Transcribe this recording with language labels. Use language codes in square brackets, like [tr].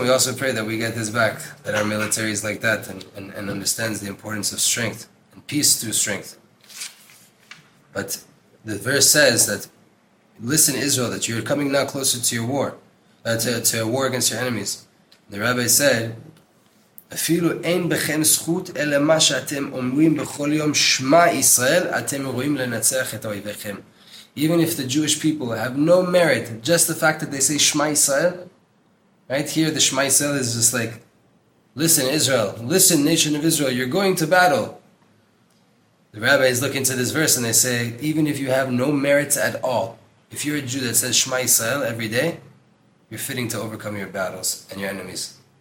[en] We also pray that we get this back, that our military is like that and understands the importance of strength and peace through strength. But the verse says that, listen, Israel, that you're coming now closer to your war, to a war against your enemies. The rabbi said, [he] אפילו אין בכם זכות אלא מה שאתם אומרים בכל יום שמע ישראל אתם רואים לנצח את אויביכם. [en] Even if the Jewish people have no merit, just the fact that they say שמע ישראל, right here the שמע ישראל is just like, listen Israel, listen nation of Israel, you're going to battle. The rabbis look into this verse and they say, even if you have no merit at all, if you're a Jew that says שמע ישראל every day, you're fitting to overcome your battles and your enemies.